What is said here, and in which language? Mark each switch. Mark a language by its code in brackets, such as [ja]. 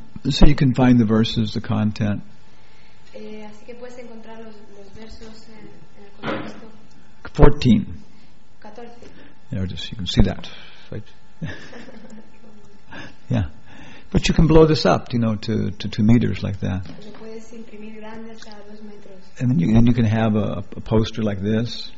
[en] So you can find the verses, the content. [es] Así que puedes encontrar los versos en el contexto. 14. 14. [en] There, just you can see that, right? Yeah, but you can blow this up, you know, to 2 meters like that. [es] Puedes imprimir grande hasta 2 metros. [en] And then you can have a poster like this.